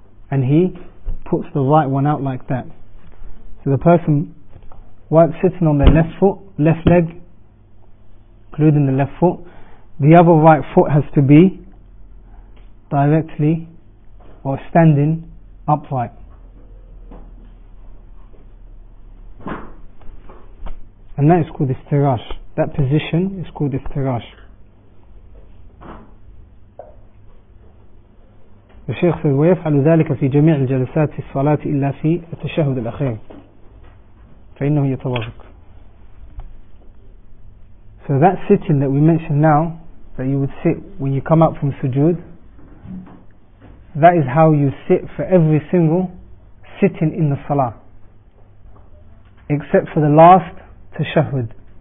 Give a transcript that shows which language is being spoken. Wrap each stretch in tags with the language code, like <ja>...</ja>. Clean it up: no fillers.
<en>And he puts the right one out like that. So the person while sitting on their left foot, left leg, including the left foot, the other right foot has to be directly or standing upright. And that is called istirash. That position is called istirash. The Shaykh says,</en> <ar>وَيَفْعَلُ ذَلِكَ فِي جَمِيعِ الْجَلَسَاتِ الصَّلَاةِ إِلَّا فِي التَّشَهُدِ الْأَخِيرِ فَإِنَّهُ يَتَوَرَّكُ.</ar> <en>So that sitting that we mentioned now, that you would sit when you come out from sujood, that is how you sit for every single sitting in the salah, except for the last tashahud.</en>